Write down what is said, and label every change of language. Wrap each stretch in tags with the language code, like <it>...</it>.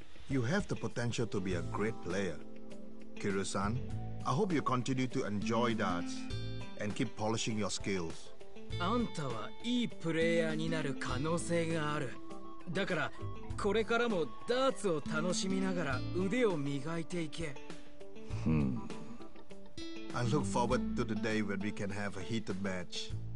<en>You have the potential to be a great player, Kiryu-san. I hope you continue to enjoy darts and keep polishing your skills.</en> <ja>あんたはいいプレイヤーになる可能性がある。だからこれからもダーツを楽しみながら腕を磨いていけ。</ja> <en>I look forward to the day when we can have a heated match.</en>